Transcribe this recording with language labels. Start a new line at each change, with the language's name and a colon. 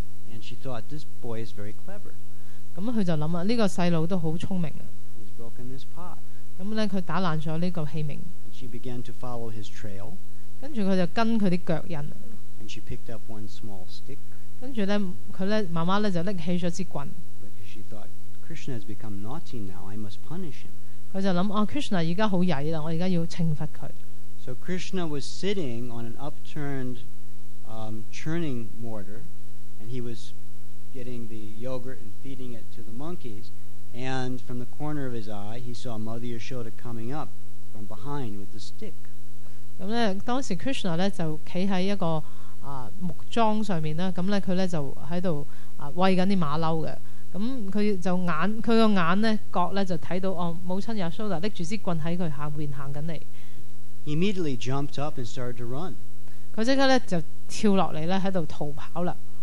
English: And she thought this boy is very clever.
Cantonese: 咁佢就諗啊，呢個細路都好聰明啊。
English: He's broken this pot.
Cantonese: 咁咧，佢打爛咗呢個器皿。
English: She began to follow his trail.
Cantonese: 跟住佢就跟佢啲腳印。
English: And she picked up one small stick.
Cantonese: 跟住咧，佢咧媽媽咧就拎起咗支棍。
English: Because she thought Krishna has become naughty now, I must punish him.
Cantonese: 佢就諗啊 ，Krishna 而家好曳啦，我而家要懲罰佢。
English: So Krishna was sitting on an upturned, churning mortar. And he was getting the yogurt and feeding it to the monkeys. And from the corner of his eye, he saw Mother Yashoda coming up from behind with the stick.
Cantonese: 咁咧，當時 Krishna 咧就企喺一個木桩上面啦。咁咧，佢咧就喺度喂緊啲馬騮嘅。咁佢就眼，佢個眼咧角咧就睇到哦，母親 Yashoda 拎住支棍喺佢下邊行緊嚟。
English: He immediately jumped up and started to run.
Cantonese: 佢即刻咧就跳落嚟咧喺度逃跑啦。